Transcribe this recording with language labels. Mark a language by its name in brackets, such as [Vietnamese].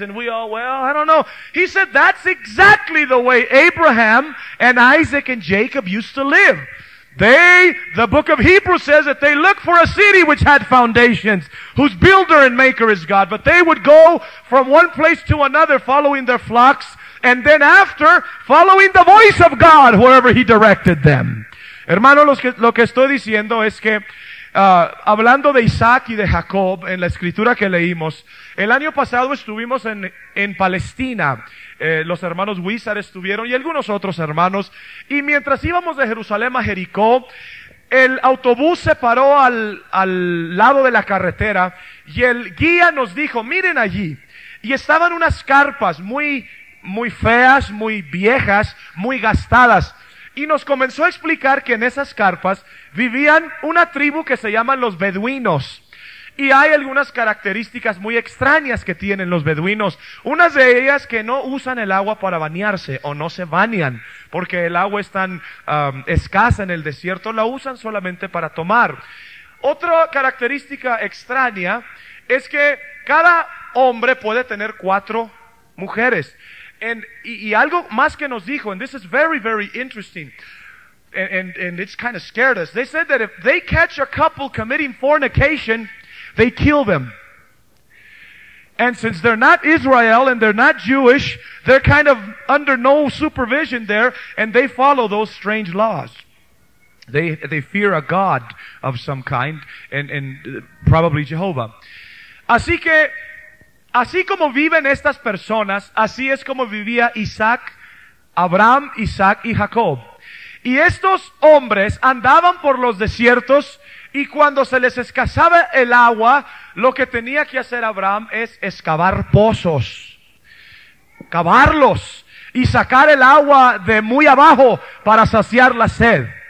[English] And we all, "Well, I don't know." He said, "That's exactly the way Abraham and Isaac and Jacob used to live. The book of Hebrews says that they looked for a city which had foundations, whose builder and maker is God. But they would go from one place to another following their flocks, and then after following the voice of God wherever He directed them." [Spanish] Hermano, lo que estoy diciendo es que, hablando de Isaac y de Jacob, en la escritura que leímos, el año pasado estuvimos en Palestina. Los hermanos Wizard estuvieron y algunos otros hermanos. Y mientras íbamos de Jerusalén a Jericó, el autobús se paró al lado de la carretera y el guía nos dijo, "Miren allí." Y estaban unas carpas muy, muy feas, muy viejas, muy gastadas. y nos comenzó a explicar que en esas carpas vivían una tribu que se llaman los beduinos. Y hay algunas características muy extrañas que tienen los beduinos. Una de ellas que no usan el agua para bañarse o no se bañan, porque el agua es tan escasa en el desierto, la usan solamente para tomar. Otra característica extraña es que cada hombre puede tener 4 mujeres. Y algo más que nos dijo, [English] and this is very, very interesting, and it's kind of scared us. They said that if they catch a couple committing fornication, they kill them. And since they're not Israel and they're not Jewish, they're kind of under no supervision there, and they follow those strange laws. They fear a God of some kind, and probably Jehovah. [Spanish] Así que, así como viven estas personas, así es como vivía Isaac, Abraham, Isaac y Jacob. Y estos hombres andaban por los desiertos, y cuando se les escasaba el agua, lo que tenía que hacer Abraham es excavar pozos, cavarlos y sacar el agua de muy abajo para saciar la sed.